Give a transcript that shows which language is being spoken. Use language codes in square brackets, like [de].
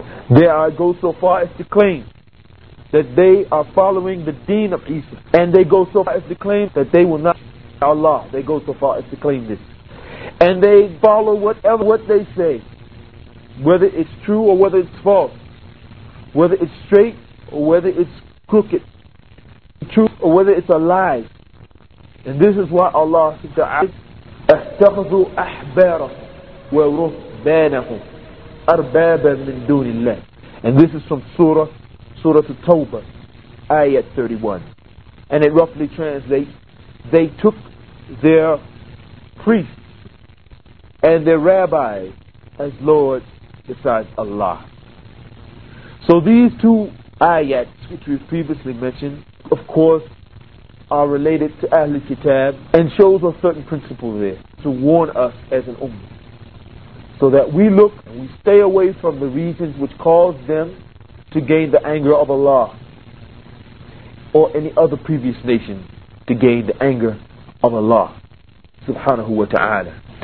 [en] They go so far as to claim that they are following the deen of Isa, and they go so far as to claim that they will not worship Allah. They go so far as to claim this. And they follow whatever what they say, whether it's true or whether it's false, whether it's straight or whether it's crooked, truth or whether it's a lie. And this is why Allah says, [ar] أَسْتَخَذُوا أَحْبَارَهُمْ وَرُهْبَانَهُمْ أَرْبَابًا مِنْ دُونِ اللَّهِ. [en] And this is from Surah At-Tawbah, Ayat 31. And it roughly translates, they took their priests and their rabbi as Lord besides Allah. So these two ayats, which we've previously mentioned, of course, are related to Ahl al-Kitab and shows a certain principle there to warn us as an ummah, so that we look and we stay away from the reasons which cause them to gain the anger of Allah or any other previous nation to gain the anger of Allah subhanahu wa ta'ala.